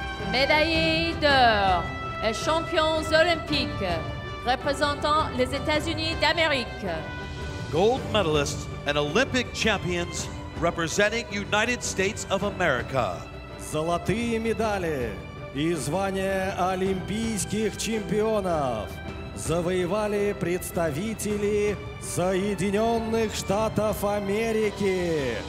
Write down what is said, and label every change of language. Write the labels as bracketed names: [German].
[French] médaillé d'or et champion olympique représentant les États-Unis d'Amérique. [English] Gold medalist and Olympic champions representing United States of America. [Russian] Золотые медали и звание олимпийских чемпионов завоевали представители Соединенных Штатов Америки.